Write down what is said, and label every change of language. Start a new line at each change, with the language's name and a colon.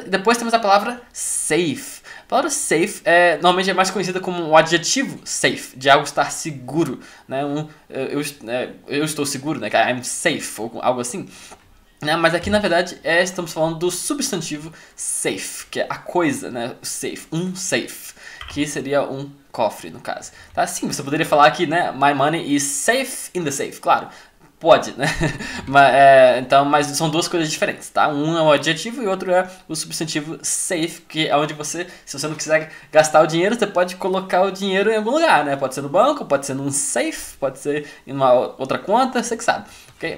Portuguese: Depois temos a palavra safe. A palavra safe é, normalmente é mais conhecida como o adjetivo safe, de algo estar seguro, né? Eu estou seguro, né?
English: I'm safe,
Portuguese: ou algo assim. Né? Mas aqui, na verdade, estamos falando do substantivo safe, que é a coisa, né? Safe, um safe, que seria um cofre, no caso. Tá? Sim, você poderia falar aqui, né?
English: My money is safe in the safe,
Portuguese: claro. Pode, né? Mas são duas coisas diferentes, tá? Um é o adjetivo e o outro é o substantivo safe, que é onde você, se você não quiser gastar o dinheiro, você pode colocar o dinheiro em algum lugar, né? Pode ser no banco, pode ser num safe, pode ser em uma outra conta, você que sabe, ok?